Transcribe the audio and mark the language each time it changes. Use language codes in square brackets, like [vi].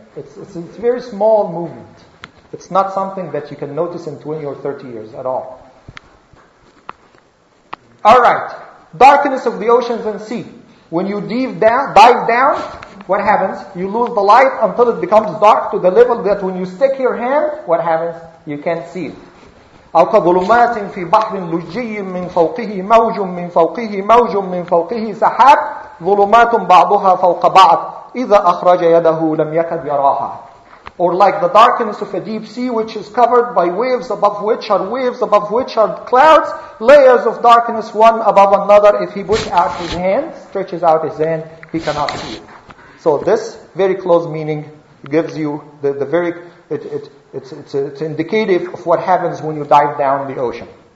[en] It's very small movement. It's not something that you can notice in 20 or 30 years at all. All right. Darkness of the oceans and sea. When you dive down, what happens? You lose the light until it becomes dark to the level that when you stick your hand, what happens? You can't see it. [ar] أو كظلمات في بحر لجي من فوقه موج من فوقه موج من فوقه سحاب ظلمات بعضها فوق بعض إذا أخرج يده لم يكد يراها. [en] Or like the darkness of a deep sea which is covered by waves above which are waves above which are clouds, layers of darkness one above another. If he puts out his hand, stretches out his hand, he cannot see it. So this very close meaning gives you the very it's indicative of what happens when you dive down the ocean.